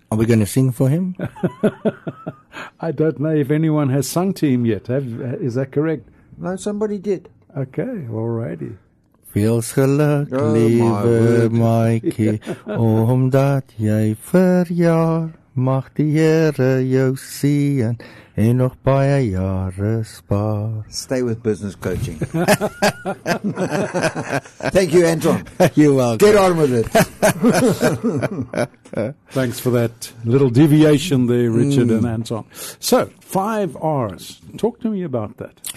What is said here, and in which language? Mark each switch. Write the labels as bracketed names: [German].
[English] Are we going to sing for him? I don't know if anyone has sung to him yet. Is that correct? No, somebody did. Okay, all righty. [Afrikaans] Feels gelukkige maatjie, omdat jy verjaar, mag die Here jou seën en nog baie jare spaar. [English] Stay with business coaching. Thank you, Anton. You're welcome. Get on with it. Thanks for that little deviation there, Richard and Anton. So, 5 R's. Talk to me about that.